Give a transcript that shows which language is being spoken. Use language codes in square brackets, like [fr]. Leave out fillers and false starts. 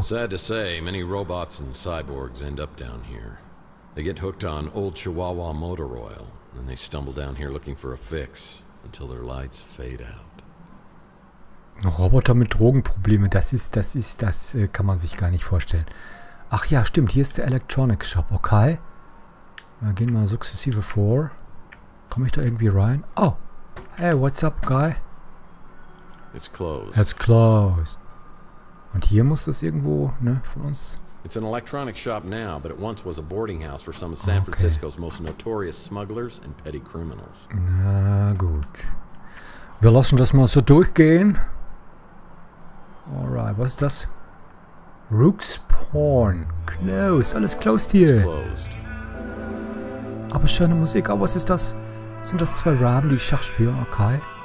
[en] Sad to say, many robots and cyborgs end up down here. They get hooked on old Chihuahua motor oil, and they stumble down here looking for a fix until their lights fade out. [de] Roboter mit Drogenprobleme, das kann man sich gar nicht vorstellen. Ach ja, stimmt, hier ist der Electronics Shop, okay. Wir gehen mal sukzessive vor. Komme ich da irgendwie rein? [en] Oh, hey, what's up, guy? It's closed. It's closed. [de] Und hier muss das irgendwo, ne, von uns... [en] It's an electronics shop now, but it once was a boarding house for some of San Francisco's most notorious smugglers and petty criminals. [de] Na gut. Wir lassen das mal so durchgehen. Alright, was ist das? Rook's Porn. Close, alles closed hier. Aber schöne Musik, aber was ist das? Sind das zwei Raben, die Schach spielen? Okay.